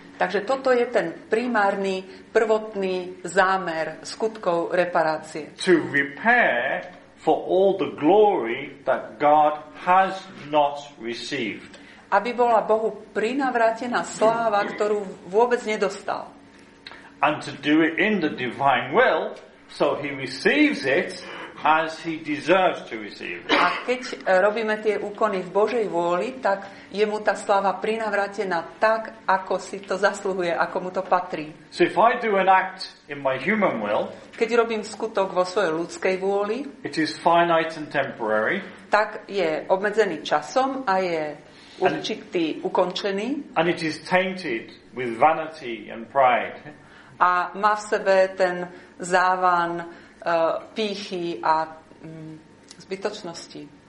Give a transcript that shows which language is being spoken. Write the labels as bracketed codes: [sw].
[sk] Takže toto je ten primárny, prvotný zámer skutkov reparácie. [en] To repair for all the glory that God has not received. [sk] Aby bola Bohu prinavrátená sláva, ktorú vôbec nedostal. [en] And to do it in the divine will, so he receives it as he deserves to receive. [sk] A keď robíme tie úkony v Božej vôli, tak je mu tá sláva prinavrátená tak, ako si to zasluhuje, ako mu to patrí. [en] So if I do an act in my human will, [sk] keď robím skutok vo svojej ľudskej vôli, [en] it is finite and temporary, [sk] tak je obmedzený časom a je určitý, ukončený. [en] And it is tainted with vanity and pride. [sk] A má v sebe ten závan pýchy a zbytočnosti.